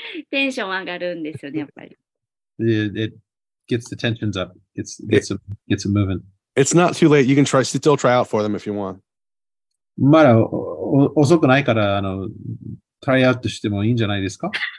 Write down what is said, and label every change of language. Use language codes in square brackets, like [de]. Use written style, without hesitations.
[ja] テンション上がるんですよね、やっぱり。 [en] Gets the tensions up. Gets it moving. It's not too late. You can try, still try out for them if you want. [ja] まだ遅くないから、あの、try out としてもいいんじゃないですか？